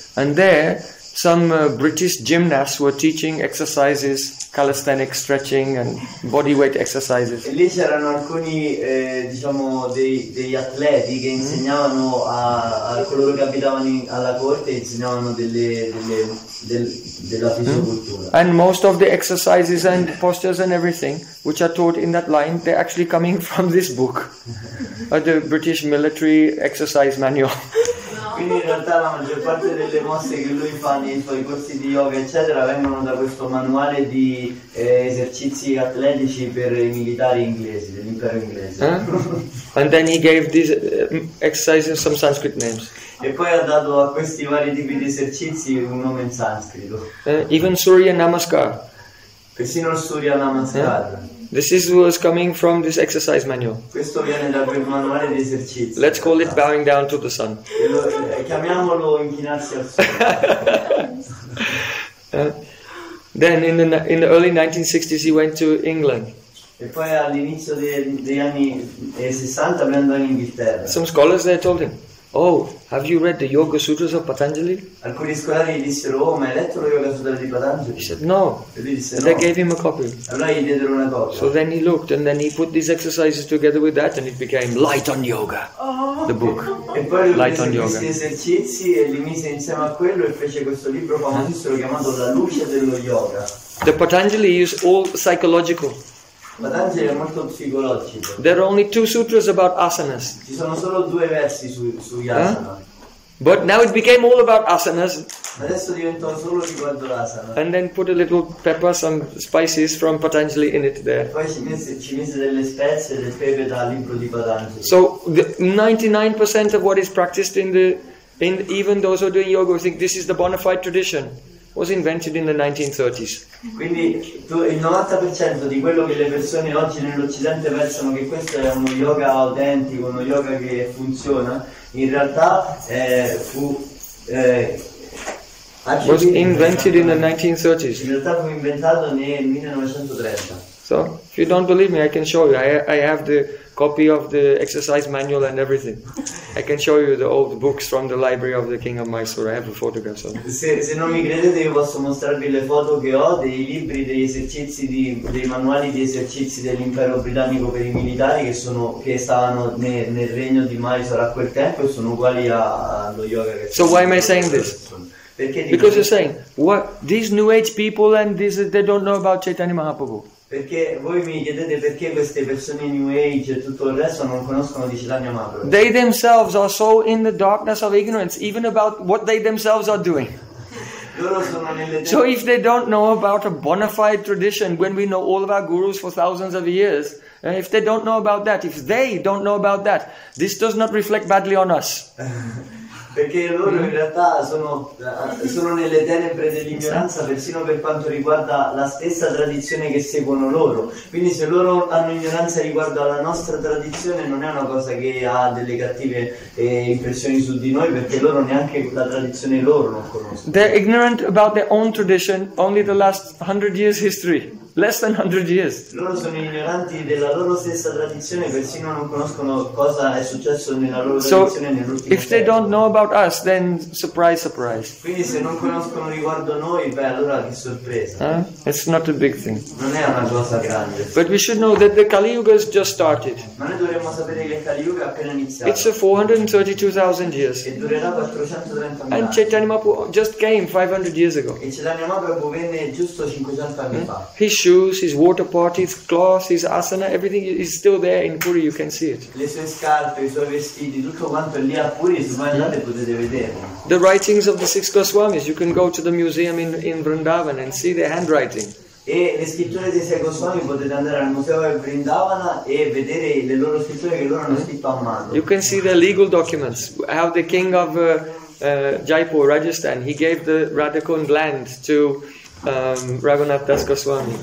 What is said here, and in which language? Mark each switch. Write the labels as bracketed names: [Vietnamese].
[English] And there some British gymnasts were teaching exercises, calisthenic stretching and bodyweight exercises. [Italian] E lì c'erano alcuni degli atleti che insegnavano a coloro che abitavano alla corte, insegnavano della fisicultura. Mm. [English] And most of the exercises and postures and everything which are taught in that line, they're actually coming from this book, the British military exercise manual. [Italian] Quindi in realtà la maggior parte delle mosse che lui fa nei suoi corsi di yoga eccetera vengono da questo manuale di esercizi atletici per i militari inglesi dell'impero inglese. [English] And then he gave these exercises some Sanskrit names. [Italian] E poi ha dato a questi vari tipi di esercizi un nome in sanscrito. [English] Even Surya Namaskar. [Italian] Persino Surya Namaskar. [English] This was coming from this exercise manual. [Italian] Questo viene da quel manuale di esercizi. [English] Let's call it bowing down to the sun. [Italian] Chiamiamolo inchinarsi al sole. [English] Then in the early 1960s he went to England. [Italian] E poi all'inizio degli anni 60 andò in Inghilterra. [English] Some scholars there told him. Oh, have you read the Yoga Sutras of Patanjali? [Italian] Alcuni scolari gli dissero, oh, ma hai letto lo Yoga Sutra di Patanjali? [English] He said, no. [Italian] E lui disse, [English] and they gave him a copy. [Italian] Allora gli diedero una copia. [English] So then he looked, and then he put these exercises together with that, and it became Light on Yoga, the book. [Italian] E poi lui Light on Yoga. Questi esercizi e li mise insieme a quello e fece questo libro famosissimo chiamato La Luce dello Yoga. [English] The Patanjali is all psychological. [Italian] Patanjali è molto psicologico. [English] There are only two sutras about asanas. [Italian] Ci sono solo due versi sugli asana. Huh? [English] But now it became all about asanas. [Italian] Adesso diventò solo riguardo l'asana. [English] And then put a little pepper, some spices from Patanjali in it there. [Italian] Poi ci mise delle spezie, del pepe dal libro di Patanjali. [English] So the 99% of what is practiced in even those who are doing yoga think this is the bona fide tradition. Was invented in the 1930s. [Italian] Quindi il 90% di quello che le persone oggi nell'Occidente pensano che questo è uno yoga autentico, uno yoga che funziona, in realtà [English] was invented in the 1930s. [Italian] In realtà fu inventato nel 1930. [English] So, if you don't believe me, I can show you. I have the copy of the exercise manual and everything. I can show you the old books from the library of the King of Mysore. I have a photograph of them. [Italian] Se non mi credete, io posso mostrarvi le foto che ho dei libri, degli esercizi, dei manuali di esercizi dell'impero britannico per i militari che stavano nel regno di Mysore a quel tempo e sono uguali allo yoga. [English] So why am I saying this? Because you're saying, what these new age people and these, they don't know about Chaitanya Mahaprabhu. [Italian] Perché voi mi chiedete perché queste persone New Age e tutto il resto non conoscono di Chaitanya Mahaprabhu. [English] They themselves are so in the darkness of ignorance, even about what they themselves are doing. [Italian] Loro sono nelle. [English] So if they don't know about a bona fide tradition, when we know all of our gurus for thousands of years, if they don't know about that, if they don't know about that, this does not reflect badly on us. [Italian] Perché loro in realtà sono nelle tenebre dell'ignoranza persino per quanto riguarda la stessa tradizione che seguono loro. Quindi se loro hanno ignoranza riguardo alla nostra tradizione non è una cosa che ha delle cattive impressioni su di noi, perché loro neanche la tradizione loro non conoscono. [English] They're ignorant about their own tradition, only the last 100 years history. Less than 100 years. [Italian] Loro sono ignoranti della loro stessa tradizione, persino non conoscono cosa è successo nella loro tradizione nell'ultimo. [English] If they don't know about us, then surprise, surprise. [Italian] Quindi se non conoscono riguardo noi, beh, allora che sorpresa. [English] It's not a big thing. [Italian] Non è una cosa grande. [English] But we should know that the Kali Yuga has just started. [Italian] Ma noi dovremmo sapere che il Kali Yuga è appena iniziato. [English] It's a 432,000 years. [Italian] E durerà 430,000. [English] And Chaitanya Mahaprabhu just came 500 years ago. [Italian] E Chaitanya Mahaprabhu venne giusto 500 anni fa. [English] His shoes, his water pot, his cloth, his asana, everything is still there in Puri, you can see it. [Italian] Le sue scarpe, i suoi vestiti, tutto quanto è lì a Puri, se voi andate potete vederlo. [English] The writings of the six Goswamis, you can go to the museum in Vrindavan and see their handwriting. [Italian] E le scritture dei sei Goswami potete andare al museo di Vrindavana e vedere le loro scritture che loro hanno scritto a mano. [English] You can see their legal documents, how the king of Jaipur, Rajasthan, he gave the Radhakund land to Raghunath Das Goswami.